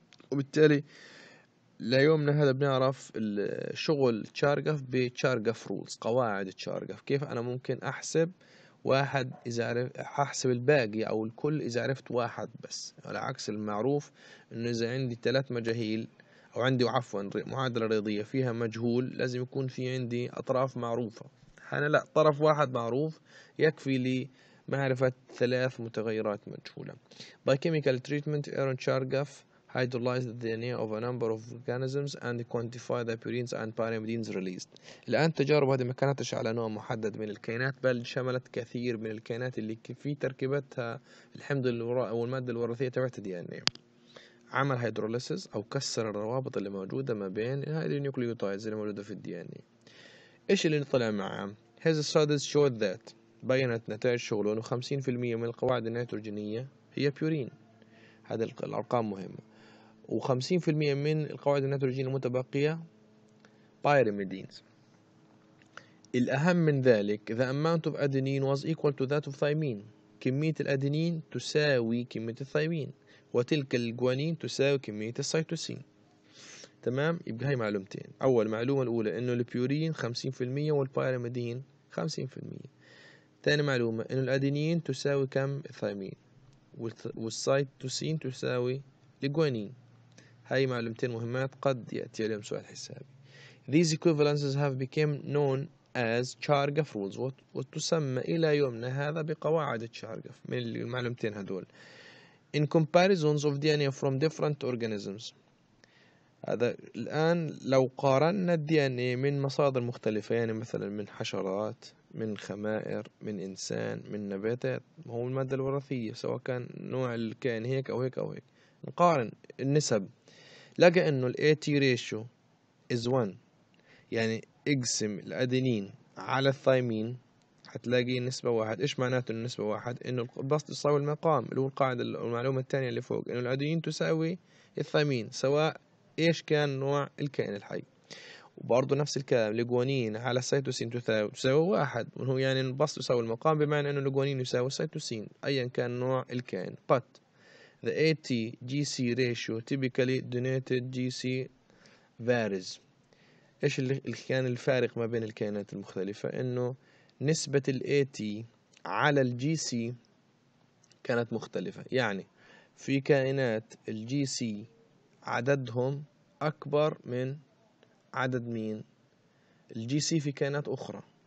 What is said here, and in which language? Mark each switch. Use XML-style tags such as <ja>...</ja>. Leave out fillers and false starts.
<ar>وبالتالي ليومنا هذا بنعرف الشغل تشارغف بتشارغف رولز، قواعد تشارغف، كيف انا ممكن احسب واحد اذا عرف احسب الباقي او الكل اذا عرفت واحد بس، على عكس المعروف انه اذا عندي ثلاث مجاهيل او عندي عفوا معادلة رياضية فيها مجهول لازم يكون في عندي اطراف معروفة. انا لا، طرف واحد معروف يكفي لي معرفة ثلاث متغيرات مجهولة.</ar> <en>By chemical treatment Aaron Chargaff hydrolyzed the DNA of a number of organisms and quantified the purines and pyrimidines released.</en> <ar>الآن تجارب هذه ما كانتش على نوع محدد من الكائنات بل شملت كثير من الكائنات اللي في تركيبتها الحمض والمادة الوراثية تبعت DNA. عمل هيدروليسز او كسر الروابط اللي موجوده ما بين هذه النيوكليوتايدز اللي موجوده في الدي ان اي. ايش اللي طلع معاه؟ هذا السادس شو ذات، بينت نتائج شغله انه 50% من القواعد النيتروجينيه هي بيورين، هذه الارقام مهمه، و 50% من القواعد النيتروجينيه المتبقيه بايريميدينز. الاهم من ذلك</ar> <en>the amount of adenine was equal to that of thymine,</en> <ar>كميه الادينين تساوي كميه الثايمين، وتلك الجوانين تساوي كمية السيتوسين. تمام، يبقى هاي معلومتين. أول معلومة الأولى إنه البيورين 50% والبايراميدين 50%. ثاني معلومة إنه الأدينين تساوي كم الثايمين والسيتوسين تساوي الجوانين. هاي معلومتين مهمات قد يأتي عليهم سؤال حسابي.</ar> <en>These equivalences have become known as Chargaff rules</en> <ar>وتسمى إلى يومنا هذا بقواعد Chargaff. من المعلومتين هذول.</ar> <en>In comparisons of DNA from different organisms.</en> <ar>هذا الآن لو قارنا DNA من مصادر مختلفة، يعني مثلا من حشرات، من خمائر، من إنسان، من نباتات، هو المادة الوراثية سواء كان نوع الكائن هيك أو هيك أو هيك، نقارن النسب لقى أنه الـ</ar> <en>AT ratio is 1،</en> <ar>يعني اقسم الأدينين على الثايمين هتلاقي نسبة واحد. إيش معناته النسبة واحد؟ إنه البسط يساوي المقام، اللي هو القاعدة المعلومة الثانية اللي فوق، إنه الأدينين تساوي الثامين سواء إيش كان نوع الكائن الحي. وبرضو نفس الكلام، الجوانين على السيتوسين تساوي واحد، وهو يعني البسط يساوي المقام بمعنى إنه الجوانين يساوي السيتوسين أيا كان نوع الكائن.</ar> <en>But the AT-GC ratio typically donated GC varies.</en> <ar>إيش اللي كان الفارق ما بين الكائنات المختلفة؟ إنه نسبة الـ AT على الـ GC كانت مختلفة، يعني في كائنات الـ GC عددهم أكبر من عدد مين؟ الـ GC في كائنات أخرى.</ar>